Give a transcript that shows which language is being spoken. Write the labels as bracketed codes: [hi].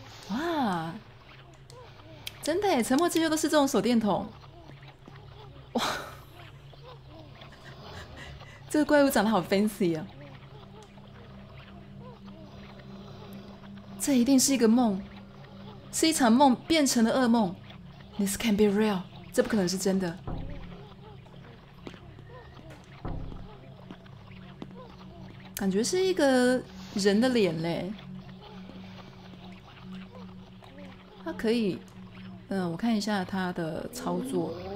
[zh] 哇，真的耶，沉默之丘都是这种手电筒。哇，这个怪物长得好 fancy 啊！这一定是一个梦，是一场梦变成了噩梦。 [en] This can't be real， [zh] 这不可能是真的。感觉是一个人的脸嘞，他可以，我看一下他的操作。